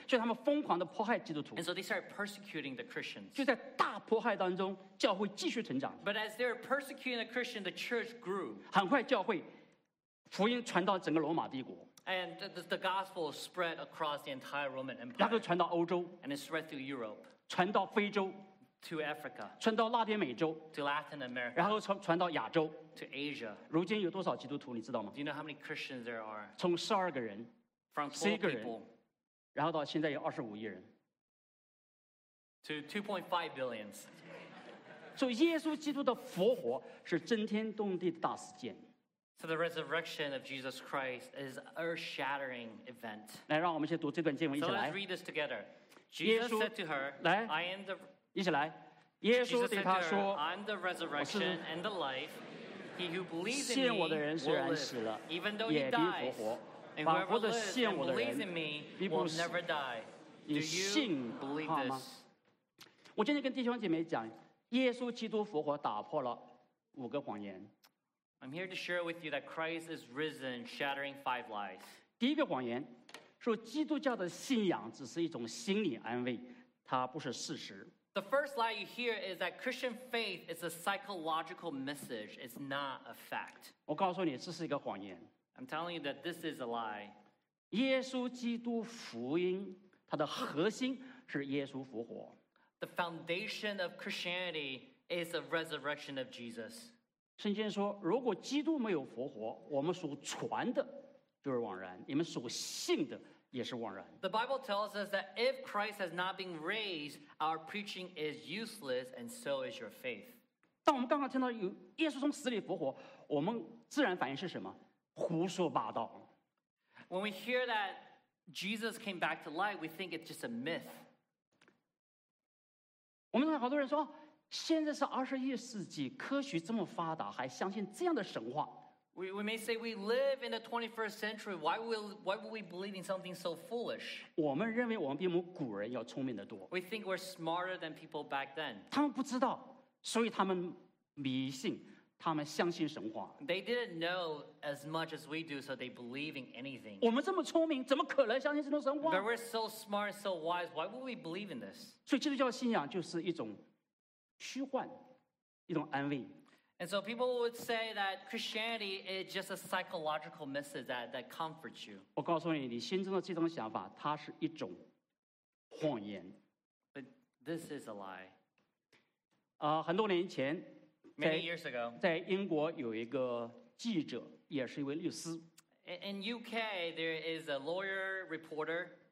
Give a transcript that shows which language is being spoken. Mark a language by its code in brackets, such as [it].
[zh] 所以他们疯狂地迫害基督徒。 [en] And so they started persecuting the Christians. [zh] 就在大迫害当中，教会继续成长。 [en] But as they were persecuting the Christians, the church grew. [zh] 很快教会福音传到整个罗马帝国。 [en] And the gospel spread across the entire Roman Empire. [zh] 然后传到欧洲。 [en] And it spread through Europe. [zh] 传到非洲 [en] to Africa, [zh] 传到拉丁美洲 [en] to Latin America, [zh] 然后 传到亚洲 [en] to Asia. [zh] 如今有多少基督徒你知道吗？ [en] Do you know how many Christians there are? [zh] 从十二个人 [en] from 12 people, [zh] 然后到现在有二十五亿人 [en] to 2.5 billion. [zh] 所以耶稣基督的复活是震天动地的大事件。 [en] So the resurrection of Jesus Christ is an earth-shattering event. [zh] 来，让我们先读这段经文，一起来。 [en] So let's read this together. Jesus said to her, [zh] "来, [en] I am the." [zh] 一起来。耶稣对他说 [en] "I'm the resurrection and the life. He who believes in me will live, even though he dies. And whoever lives and believes in me will never die. Do you believe this?" [zh] 我今天跟弟兄姐妹讲，耶稣基督复活打破了五个谎言。 [en] I'm here to share with you that Christ is risen, shattering five lies. [zh] 第一个谎言。说基督教的信仰只是一种心理安慰，它不是事实。 [en] The first lie you hear is that Christian faith is a psychological message. It's not a fact. [zh] 我告诉你，这是一个谎言。 [en] I'm telling you that this is a lie. [zh] 耶稣基督福音，它的核心是耶稣复活。 [en] The foundation of Christianity is the resurrection of Jesus. [zh] 圣经说，如果基督没有复活，我们所传的就是枉然，你们所信的也是枉然。 [en] The Bible tells us that if Christ has not been raised, our preaching is useless, and so is your faith. [zh] 当我们刚刚听到有耶稣从死里复活，我们自然反应是什么？胡说八道。 [en] When we hear that Jesus came back to life, we think it's just a myth. [zh] 我们看好多人说，现在是二十一世纪，科学这么发达，还相信这样的神话。 [en] We may say we live in the 21st century. Why would we believe in something so foolish? We think we're smarter than people back then. We think we're smarter than people back then. [zh] 他们不知道，所以他们迷信，他们相信神话。 [en] They didn't know as much as we do, so they believe in anything. [zh] 我们这么聪明，怎么可能相信这种神话？ [en] But we're so smart, so wise. Why would we believe in this? [zh] 所以基督教信仰就是一种虚幻，一种安慰。 [en] And so people would say that Christianity is just a psychological message that comforts you. [zh] 我告诉你，你心中的这种想法，它是一种谎言。 [en] But this is a lie. [zh] 很多年前 [en] Many years ago. [zh] 在英国有一个记者，也是一位律师。 [en] In UK, there is a lawyer reporter.